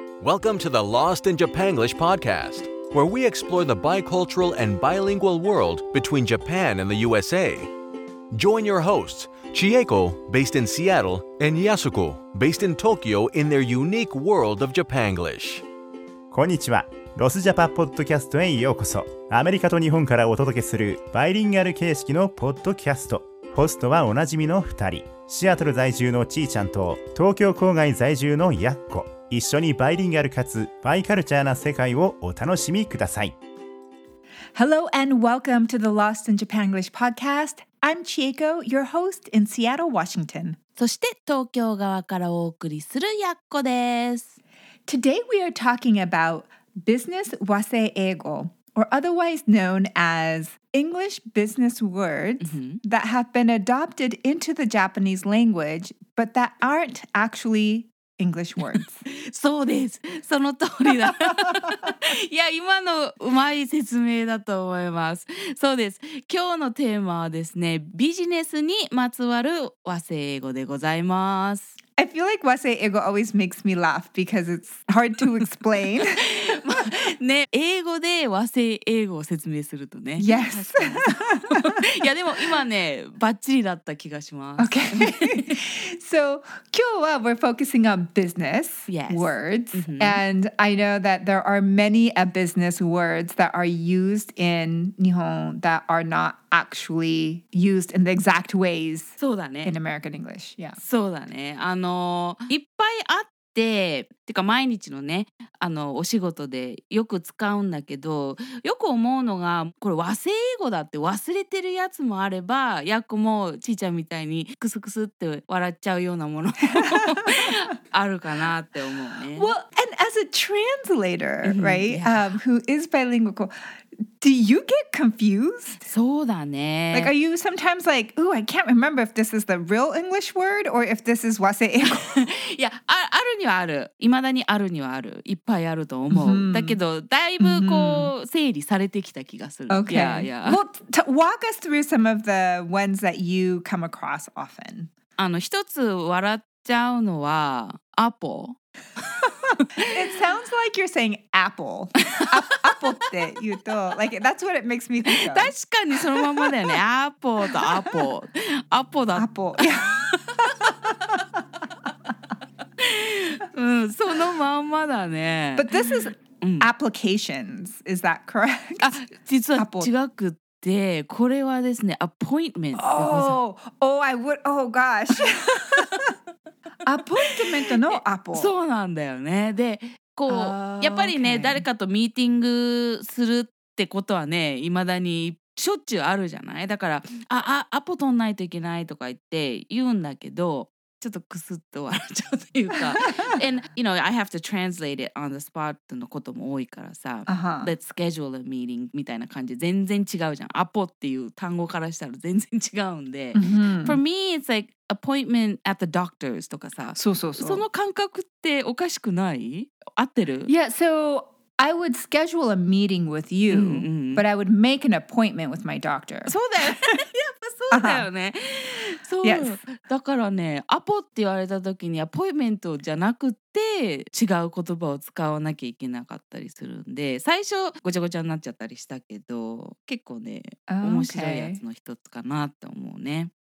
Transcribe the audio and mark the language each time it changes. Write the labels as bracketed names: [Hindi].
[English] Welcome to the Lost in Japan English podcast, where we explore the bicultural and bilingual world between Japan and the USA. Join your hosts, Chieko, based in Seattle, and Yasuko, based in Tokyo, in their unique world of Japanglish. [Japanese] Konnichiwa. ロスジャパポッドキャストへようこそ。アメリカと日本からお届けするバイリンガル形式のポッドキャスト。ホストはおなじみの2人、シアトル在住のちーちゃんと東京郊外在住のやっこ。一緒にバイリンガルかつバイカルチャーな世界をお楽しみください。 [English] Hello and welcome to the Lost in Japan English podcast. I'm Chieko, your host in Seattle, Washington. [Japanese] そして東京側からお送りするやっこです。 [English] Today we are talking aboutBusiness wase eigo, or otherwise known as English business words、mm-hmm. that have been adopted into the Japanese language, but that aren't actually English words. [Japanese] そうです。その通りだ。いや、今のうまい説明だと思います。そうです。今日のテーマはですね、ビジネスにまつわる wase eigo でございます。 [English] I feel like wase eigo always makes me laugh because it's hard to explain. [Japanese] ね、英語で和製英語を説明するとね。 [English] Yes. [Japanese] いやでも今ね、バッチリだった気がします。 [English] Okay. So, [Japanese] 今日は [English] we're focusing on business words. Mm-hmm. And I know that there are many a business words that are used in 日本 that are not actually used in the exact ways in American English. Yeah. [Japanese] そうだね。いっぱいあって、でてか毎日のねお仕事でよく使うんだけど、よく思うのがこれ和製英語だって忘れてるやつもあれば、やっこもちーちゃんみたいにクスクスって笑っちゃうようなものもあるかなって思うね。 [English] Well, and as a translator, right? Who is bilingual, do you get confused? [Japanese] そうだね。 [English] Like, are you sometimes like, ooh, I can't remember if this is the real English word or if this is 和製英語。 [Japanese] いや、あるにはある。未だにあるにはある。いっぱいあると思う、mm-hmm. だけどだいぶこう、mm-hmm. 整理されてきた気がする。 [English] Okay. Yeah, yeah. Well, walk us through some of the ones that you come across often. [Japanese] 一つ笑っちゃうのはアポ。 [English] It sounds like you're saying apple. Apple って言うと、like, that's what it makes me think of. [Japanese] 確かにそのままだよね。 Apple と Apple。Apple だ。 [English] Apple。 [Japanese] うん、そのまんまだね。 [English] But this is applications. Is that correct? [Japanese] あ、実は違くて、これはですね、appointments。 [English] Oh, oh, I would, oh gosh. [Japanese] アポイントメントのアポ。そうなんだよね。で、こう、やっぱりね、okay. 誰かとミーティングするってことはね、いまだにしょっちゅうあるじゃない。だから、ああアポ取んないといけないとか言って言うんだけど、ちょっとクスッと笑っちゃうというか。 [English] And, you know, I have to translate it on the spot [Japanese] のことも多いからさ、 uh-huh. [English] Let's schedule a meeting [Japanese] みたいな感じ全然違うじゃん。アポっていう単語からしたら全然違うんで。 Mm-hmm. [English] For me, it's like,appointment at the doctor's [Japanese] とかさ、そうそうそう、その感覚っておかしくない？合ってる？ [English] Yeah, so I would schedule a meeting with you, mm-hmm. but I would make an appointment with my doctor. [Japanese] そうだよ、やっぱそうだよね。そう、 [English] yes. [Japanese] だからね、アポって言われた時にアポイメントじゃなくて違う言葉を使わなきゃいけなかったりするんで、最初ごちゃごちゃになっちゃったりしたけど、結構ね、面白いやつの一つかなって思うね。